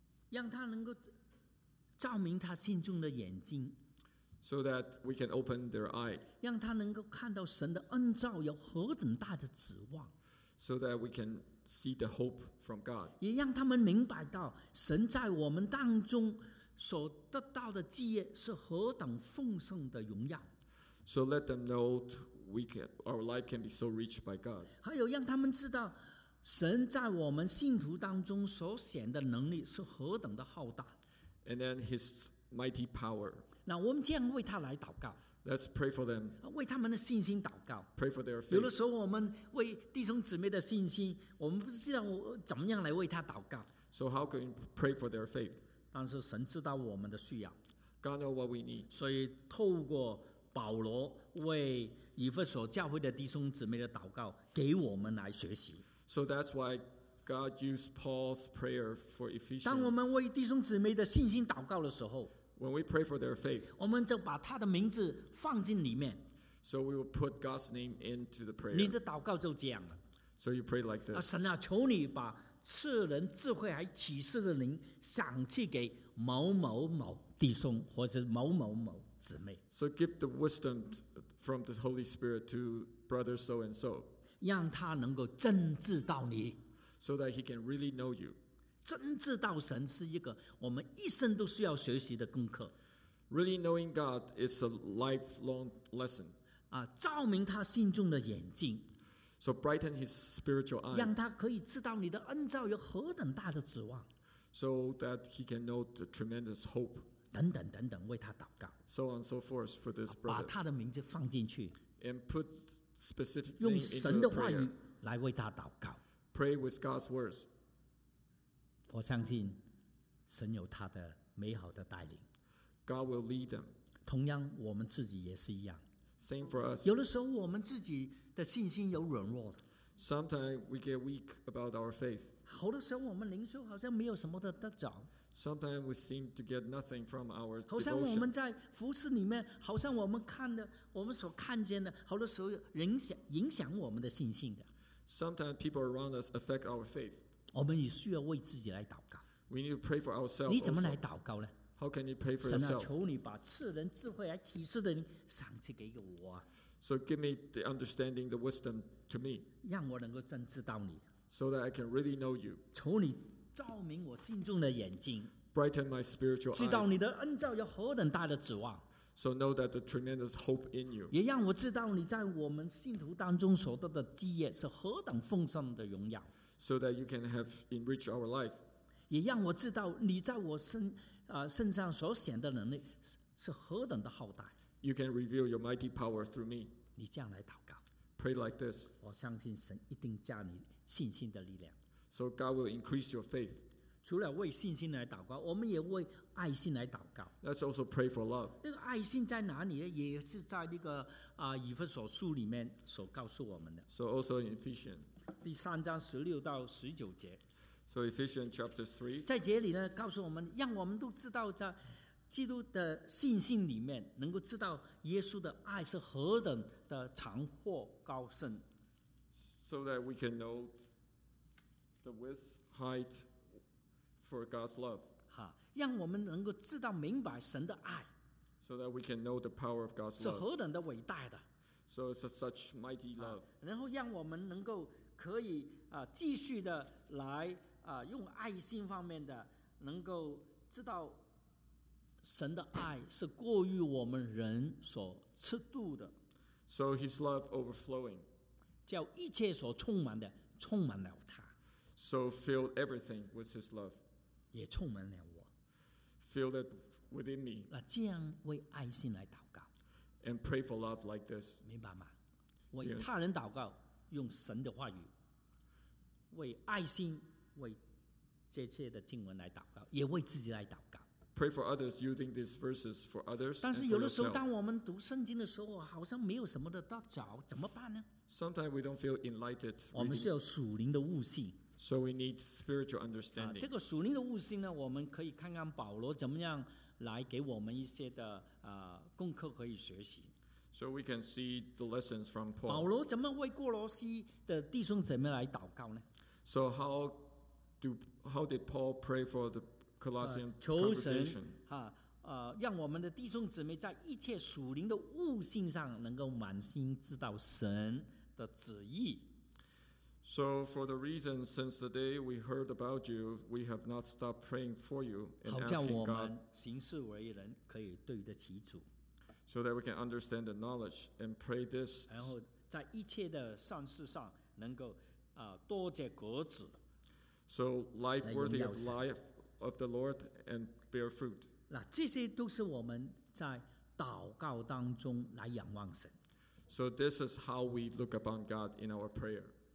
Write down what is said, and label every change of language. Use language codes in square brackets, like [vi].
[zh] 让他能够照明他心中的眼睛， [en] so that we can open their eye. [zh] 让他能够看到神的恩召有何等大的指望。 [en] So that we can see the hope from God. [zh] 也让他们明白到神在我们当中所得到的基业是何等丰盛的荣耀。 [en] So let them know we can, our life can be so rich by God. [zh] 还有让他们知道神在我们信徒当中所显的能力是何等的浩大。 [en] And then his mighty power. [zh] 那我们这样为他来祷告。 [en] Let's pray for them. [zh] 为他们的信心祷告。 [en] Pray for their faith. [zh] 有的时候我们为弟兄姊妹的信心，我们不知道怎么样来为他祷告。 [en] So how can we pray for their faith? [zh] 但是神知道我们的需要。 [en] God knows what we need. [zh] 所以透过保罗为以弗所教会的弟兄姊妹的祷告，给我们来学习。 [en] So that's why God used Paul's prayer for Ephesians. [zh] 当我们为弟兄姊妹的信心祷告的时候， [en] When we pray for their faith, [zh] 我们就把他的名字放进里面。 [en] So we will put God's name into the prayer. [zh] 你的祷告就这样了。 [en] So you pray like this. [zh] 神啊，求你把赐人智慧还启示的灵赏赐给某某某弟兄或者某某某。 [en] So give the wisdom from the Holy Spirit to brother so and so. [zh] 让他能够真知道你。 [en] So that he can really know you. [zh] 真知道神是一个我们一生都需要学习的功课。 [en] Really knowing God is a lifelong lesson. [zh] 照明他心中的眼睛。 [en] So brighten his spiritual eye. [zh] 让他可以知道你的恩召有何等大的指望。 [en] So that he can know the tremendous hope. [zh] 等等等等，为他祷告。 [en] So on so forth for this brother. [zh] 把他的名字放进去。 [en] And put specific name into a prayer. [zh] 来为他祷告。 [en] Pray with God's words. [zh] 我相信神有他的美好的带领。 [en] God will lead them. [zh] 同样，我们自己也是一样。 [en] Same for us. [zh] 有的时候，我们自己的信心有软弱的。 [en] Sometimes we get weak about our faith. [zh] 好多时候，我们灵修好像没有什么的得着。 [en] Sometimes we seem to get nothing from our devotion. [zh] 好像我们在服事里面，好像我们看的，我们所看见的，好多时候影响我们的信心的。 [en] Sometimes people around us affect our faith. [zh] 我们也需要为自己来祷告。 [en] We need to pray for ourselves. [zh] 你怎么来祷告呢？ [en] How can you pray for yourself? [zh] 神啊，求你把赐人智慧来启示的灵赏赐给我啊。 [en] So give me the understanding, the wisdom to me. [zh] 让我能够真知道你。 [en] So that I can really know you. [zh] 求你照明我心中的眼睛。 [en] Brighten my spiritual eye. [zh] 知道你的恩照有何等大的指望。 [en] So know that the tremendous hope in you. [zh] 也让我知道你在我们信徒当中所得的基业是何等丰盛的荣耀。 [en] So that you can have enriched our life. [zh] 也让我知道你在我身上所显的能力是何等的浩大。 [en] You can reveal your mighty power through me. [zh] 你这样来祷告。 [en] Pray like this. [zh] 我相信神一定加你信心的力量。 [en] So God will increase your faith. [zh] 除了为信心来祷告，我们也为爱心来祷告。 [en] Let's also pray for love. [zh] 那个爱心在哪里呢？也是在那个以弗所书里面所告诉我们的。 [en] So also in Ephesians. [zh] 第三章十六到十九节。 [en] So Ephesians chapter 3. [zh] 在这里呢，告诉我们，让我们都知道在基督的信心里面能够知道耶稣的爱是何等的长阔高深。 [en] So that we can know the width, height for God's love. [zh] 好，让我们能够知道明白神的爱。 [en] So that we can know the power of God's love. [zh] 是何等的伟大的。 [en] So it's a such mighty love. [zh] 然后让我们能够可以继续的来用爱心方面的能够知道。神的爱是过于我们人所吃度的。 [en] So his love overflowing. [zh] 叫一切所充满的充满了他。 [en] So fill everything with his love. [zh] 也充满了我。 [en] Fill it within me. [zh] 那这样为爱心来祷告。 [en] And pray for love like this. [zh] 明白吗？为他人祷告，用神的话语，为爱心，为这些的经文来祷告，也为自己来祷告。 [en] Pray for others using these verses for others. [zh] 但是有的时候，当我们读圣经的时候，好像没有什么的得着，怎么办呢？ [en] Sometimes we don't feel enlightened. [zh] 我们需要属灵的悟性。 [en] So we need spiritual understanding. [zh] 这个属灵的悟性呢，我们可以看看保罗怎么样来给我们一些的功课可以学习。 [en] So we can see the lessons from Paul. [zh] 保罗怎么为哥罗西的弟兄姊妹来祷告呢？ [en] So how did Paul pray for the Colossian congregation. [zh] 求神, 哈, 让我们的弟兄姊妹在一切属灵的悟性上能够满心知道神的旨意。 [en] So for the reason since the day we heard about you, we have not stopped praying for you and asking God. [zh] 好叫我们行事为人可以对得起主。 [en] So that we can understand the knowledge and pray this. [zh] 然后在一切的善事上能够多结果子。 [en] So life worthy of life. Of the Lord and bear fruit. [zh] 那这些都是我们在祷告当中来仰望神。 [en] So this is how we look upon God in our prayer.